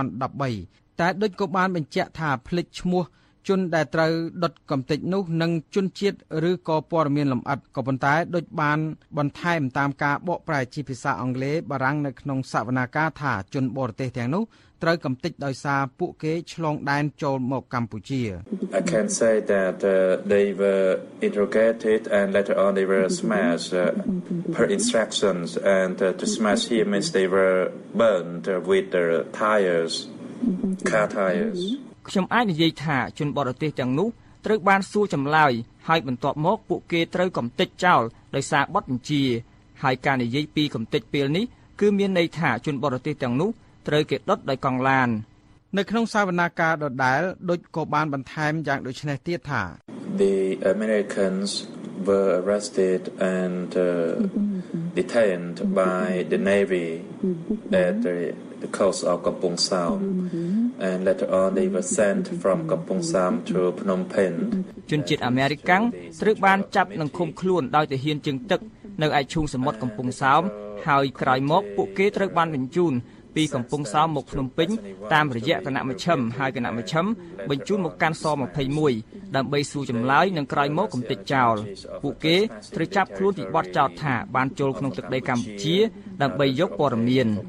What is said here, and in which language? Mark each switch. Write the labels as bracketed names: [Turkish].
[Khmer] 2013តែដូចក៏បានបញ្ជាក់ថាភ្លេចឈ្មោះជនដែលត្រូវដុតកំទេចនោះនឹងជនជាតិឬក៏ព័ត៌មានលម្អិតក៏ប៉ុន្តែដូចបានបន្ថែមតាមការបកប្រែជាភាសាអង់គ្លេសបារាំងនៅក្នុងសវនាការថាជនបរទេសទាំងនោះត្រូវកំទេចដោយសារពួកគេឆ្លងដែនចូលមកកម្ពុជា [English] I can say that they were interrogated and later on they were smashed per instructions and to smash here means they were burned with their tires car tires [Khmer] ខ្ញុំអាចនិយាយថាជនបរទេសទាំងនោះត្រូវបានសួរចម្លើយហើយបន្ទាប់មកពួកគេត្រូវកំទេចចោលដោយសារបទបញ្ជាហើយការនិយាយពីកំទេចពេលនេះគឺមានន័យថាជនបរទេសទាំងនោះត្រូវគេដុតដោយកង់ឡាននៅក្នុងសវនាការដដែលដូចក៏បានបន្ថែមយ៉ាងដូចនេះទៀតថា [English] The Americans were arrested and detained by the Navy at the coast of Kampong Sam and later on they were sent from Kampong Sam to Phnom Penh [Khmer] ជនជាតិអាមេរិកាំងត្រូវបានចាប់និងឃុំខ្លួនដោយទាហានជើងទឹកនៅឯឈូងសមុទ្រកំពង់សោមហើយក្រោយមកពួកគេត្រូវបានបញ្ជូនពីកំពង់សោមមកភ្នំពេញតាមរយៈគណៈមជ្ឈិមហើយគណៈមជ្ឈិមបញ្ជូនមកកាន់ស21ដើម្បីសួរចម្លើយនិងក្រោយមកកំទេចចោលពួកគេត្រូវចាប់ខ្លួនពីបទចោទថាបានចូលក្នុងទឹកដីកម្ពុជាដើម្បីយកព័ត៌មាន